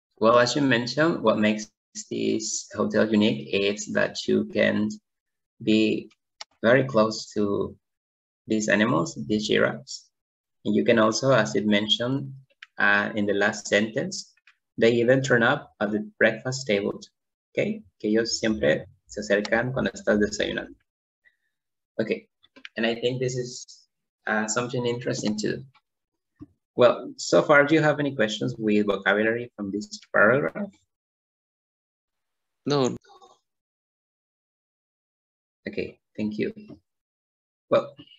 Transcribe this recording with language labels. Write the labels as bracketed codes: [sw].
[en] Well, as you mentioned, what makes this hotel unique is that you can be very close to these animals, these giraffes. And you can also, as it mentioned in the last sentence, they even turn up at the breakfast table. [es] Okay, que ellos siempre se acercan cuando estás desayunando. [en] Okay, and I think this is something interesting too. Well, so far, do you have any questions with vocabulary from this paragraph? No. Okay, thank you. Well,